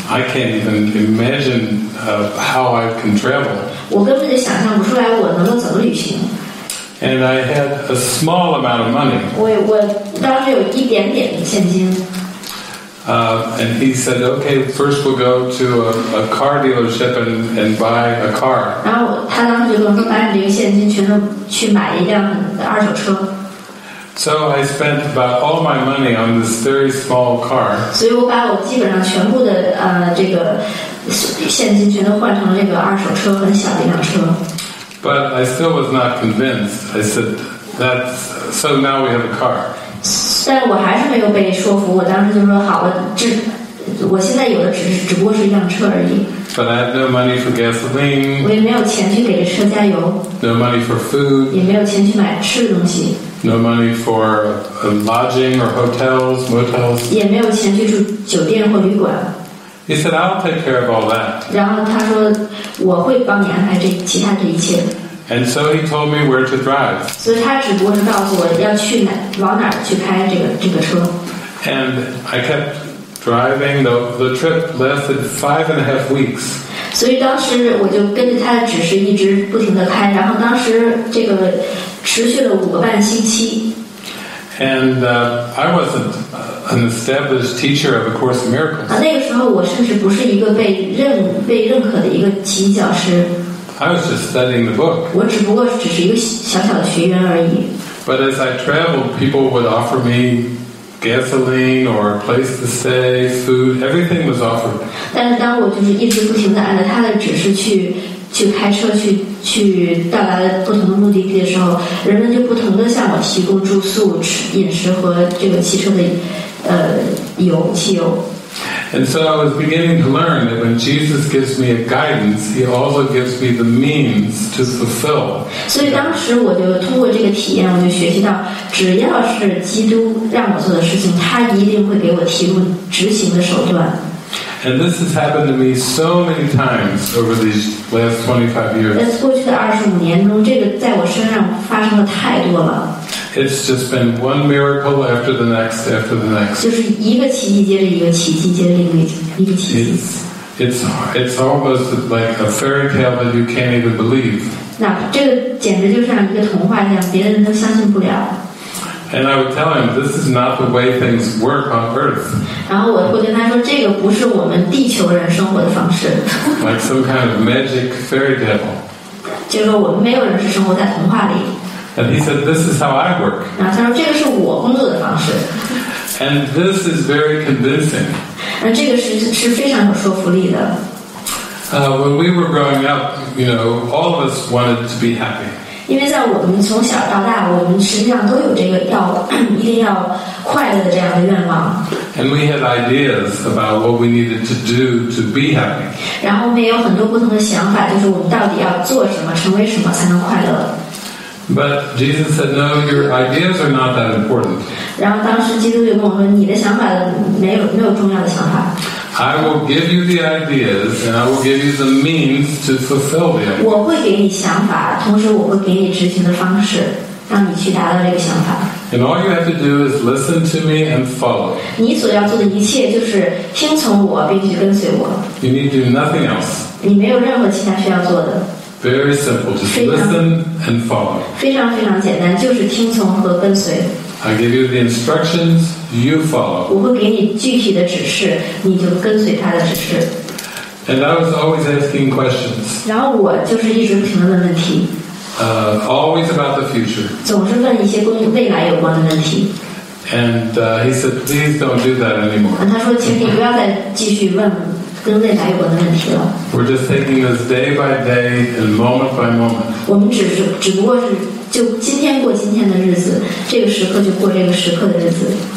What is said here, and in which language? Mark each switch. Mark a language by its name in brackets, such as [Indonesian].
[English] I can't even imagine how I can travel. [Chinese] 我根本就想象不出来我能够怎么旅行。 [English] And I had a small amount of money. [Chinese] 我当时有一点点的现金。 [English] And he said, okay, first we'll go to a car dealership and buy a car. [Chinese] 然后他当时就说，把你这个现金全都去买一辆二手车。 [English] So I spent about all my money on this very small car. [Chinese] 所以我把我基本上全部的这个现金全都换成了这个二手车，很小的一辆车。 [English] But I still was not convinced. I said, "That's so. Now we have a car." [Chinese] 但我还是没有被说服。我当时就说，好，我现在有的只不过是一辆车而已。 [English] But I had no money for gasoline. [Chinese] 我也没有钱去给车加油。 [English] No money for food. [Chinese] 也没有钱去买吃的东西。 [English] No money for lodging or hotels, motels. [Chinese] 也没有钱去住酒店或旅馆。 [English] He said, "I'll take care of all that." [Chinese] 然后他说，我会帮你安排这其他这一切。 [English] And so he told me where to drive. [Chinese] 所以他只不过是告诉我要去哪，往哪去开这个车。 [English] And I kept driving. The trip lasted 5.5 weeks. [Chinese] 所以当时我就根据他的指示一直不停地开，然后当时这个持续了5.5个星期。 [English] And I wasn't an established teacher of A Course in Miracles. [Chinese] 那个时候我甚至不是一个被认可的一个奇迹教师。 [English] I was just studying the book. [Chinese] 我只不过只是一个小小的学员而已。 [English] But as I traveled, people would offer me gasoline or a place to stay, food, everything was offered. [Chinese] 但是当我就是一直不停地按照他的指示去开车去到达不同的目的地的时候，人们就不同地向我提供住宿、饮食和这个汽车的油汽油。 [English] And so I was beginning to learn that when Jesus gives me a guidance, he also gives me the means to fulfill. [Chinese] 所以当时我就通过这个体验，我就学习到，只要是基督让我做的事情，他一定会给我提供执行的手段。 [English] And this has happened to me so many times over these last 25 years. [Chinese] 在过去的25年中，这个在我身上发生了太多了。 [English] It's just been one miracle after the next, after the next. [Chinese] 就是一个奇迹接着一个奇迹，接着另一个奇迹。 [English] It's almost like a fairy tale that you can't even believe. [Chinese] 那这个简直就像一个童话一样，别人都相信不了。 [English] And I would tell him, this is not the way things work on Earth. [Chinese] 然后我会跟他说，这个不是我们地球人生活的方式。 [English] Like some kind of magic fairy tale. [Chinese] 就是我们没有人是生活在童话里。 [English] And he said, this is how I work. [Chinese] 然后他说，这个是我工作的方式。 [English] And this is very convincing. [Chinese] 而这个是非常有说服力的。 [English] When we were growing up, you know, all of us wanted to be happy. [Chinese] 因为在我们从小到大，我们实际上都有这个要一定要快乐的这样的愿望。 [English] And we had ideas about what we needed to do to be happy. [Chinese] 然后我们也有很多不同的想法，就是我们到底要做什么，成为什么才能快乐。 [English] But Jesus said, "No, your ideas are not that important." [Chinese] 然后当时基督就跟我说，你的想法没有重要的想法。 [English] I will give you the ideas, and I will give you the means to fulfill them. [Chinese] 我会给你想法，同时我会给你执行的方式，让你去达到这个想法。 [English] And all you have to do is listen to me and follow. [Chinese] 你所要做的一切就是听从我，并且跟随我。 [English] You need to do nothing else. [Chinese] 你没有任何其他需要做的。 [English] Very simple, just listen and follow. [Chinese] 非常非常简单，就是听从和跟随。 [English] I give you the instructions, you follow. [Chinese] 我会给你具体的指示，你就跟随他的指示。 [English] And I was always asking questions. [Chinese] 然后我就是一直评论问题。 [English] Always about the future. [Chinese] 总是问一些跟未来有关的问题。 [English] And he said, please don't do that anymore. [Chinese] 他说，请你不要再继续问跟未来有关的问题了。 [English] We're just taking this day by day and moment by moment. [Chinese] 我们只不过是就今天过今天的日子，这个时刻就过这个时刻的日子。